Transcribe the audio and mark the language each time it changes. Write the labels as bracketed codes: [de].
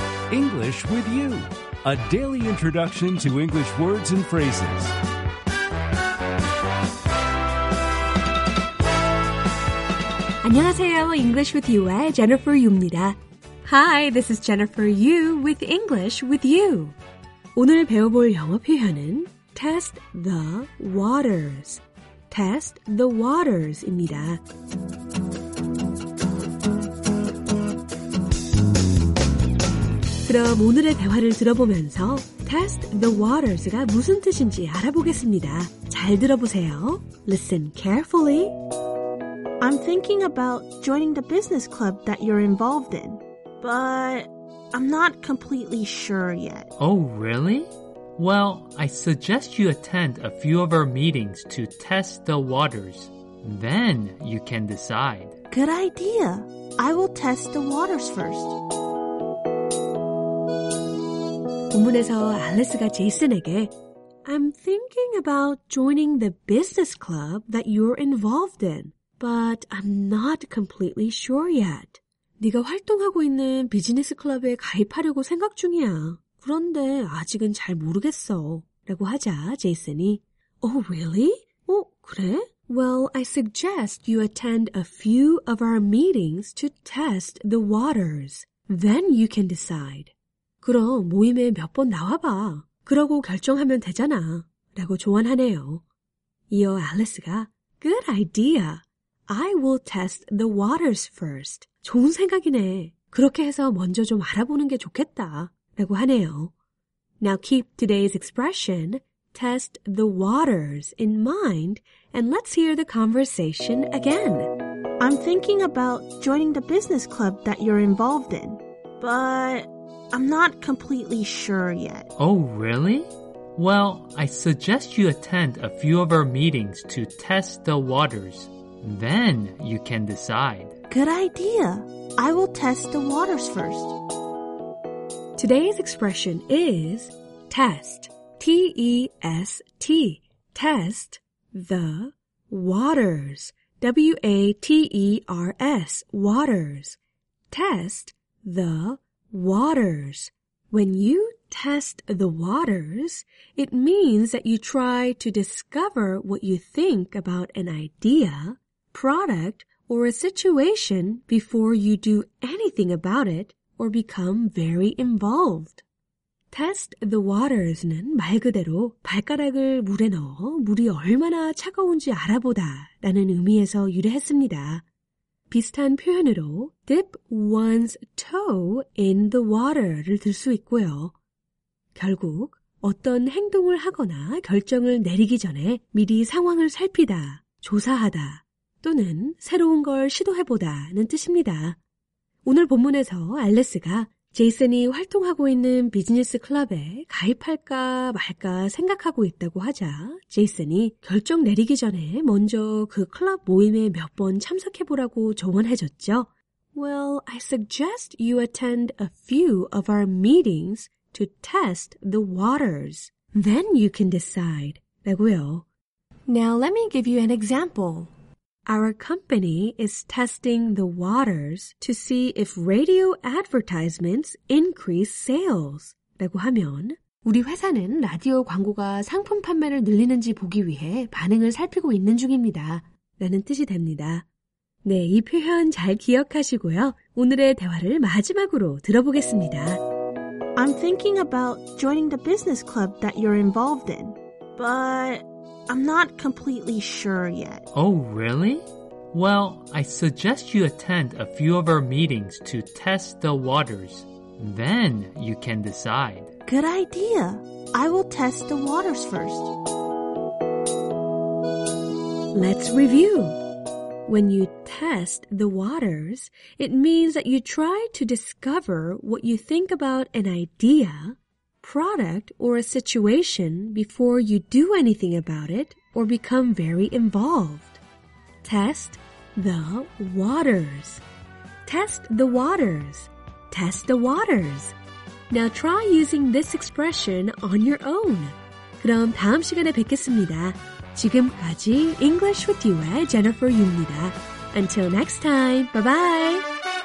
[en] English with you, a daily introduction to English words and phrases. [ko] English with you, Jennifer Yu입니다. [en] Hi, this is Jennifer Yu with English with you. [ko] 오늘 배워볼 영어 표현은 [en] test the waters. Test the waters [ko] 입니다. 그럼 오늘의 대화를 들어보면서 [en] test the waters [ko] 가 무슨 뜻인지 알아보겠습니다. 잘 들어보세요. [en] Listen carefully. I'm thinking about joining the business club that you're involved in, but I'm not completely sure yet. Oh, really? Well, I suggest you attend a few of our meetings to test the waters. Then you can decide. Good idea. I will test the waters first. [ko] 본문에서 알리스가 제이슨에게 [en] I'm thinking about joining the business club that you're involved in. But I'm not completely sure yet. [ko] 네가 활동하고 있는 비즈니스 클럽에 가입하려고 생각 중이야. 그런데 아직은 잘 모르겠어. 라고 하자 제이슨이 [en] Oh, really? [ko] 어, 그래? [en] Well, I suggest you attend a few of our meetings to test the waters. Then you can decide. [ko] 그럼 모임에 몇 번 나와봐. 그러고 결정하면 되잖아. 라고 조언하네요. 이어 알리스가 [en] Good idea. I will test the waters first. [ko] 좋은 생각이네. 그렇게 해서 먼저 좀 알아보는 게 좋겠다. 라고 하네요. [en] Now keep today's expression, test the waters, in mind, and let's hear the conversation again. I'm thinking about joining the business club that you're involved in, but I'm not completely sure yet. Oh, really? Well, I suggest you attend a few of our meetings to test the waters. Then you can decide. Good idea. I will test the waters first. Today's expression is test. T-E-S-T. Test the waters. W-A-T-E-R-S. Waters. Test the waters. When you test the waters, it means that you try to discover what you think about an idea, product, or a situation before you do anything about it or become very involved. Test the waters [ko] 는 말 그대로 발가락을 물에 넣어 물이 얼마나 차가운지 알아보다 라는 의미에서 유래했습니다. 비슷한 표현으로 [en] dip one's toe in the water [ko] 를 들 수 있고요. 결국 어떤 행동을 하거나 결정을 내리기 전에 미리 상황을 살피다, 조사하다. 또는 새로운 걸 시도해보다는 뜻입니다. 오늘 본문에서 알리스가 제이슨이 활동하고 있는 비즈니스 클럽에 가입할까 말까 생각하고 있다고 하자 제이슨이 결정 내리기 전에 먼저 그 클럽 모임에 몇 번 참석해보라고 조언해줬죠. [en] Well, I suggest you attend a few of our meetings to test the waters. Then you can decide. [ko] 라고요. [en] Now let me give you an example. Our company is testing the waters to see if radio advertisements increase sales. [ko] 라고 하면 우리 회사는 라디오 광고가 상품 판매를 늘리는지 보기 위해 반응을 살피고 있는 중입니다. 라는 뜻이 됩니다. 네, 이 표현 잘 기억하시고요. 오늘의 대화를 마지막으로 들어보겠습니다. [en] I'm thinking about joining the business club that you're involved in, but I'm not completely sure yet. Oh, really? Well, I suggest you attend a few of our meetings to test the waters. Then you can decide. Good idea. I will test the waters first. Let's review. When you test the waters, it means that you try to discover what you think about an idea, product, or a situation before you do anything about it or become very involved. Test the waters. Test the waters. Test the waters. Now try using this expression on your own. [ko] 그럼 다음 시간에 뵙겠습니다. 지금까지 English with You의 Jennifer Yu입니다. [en] Until next time, bye-bye!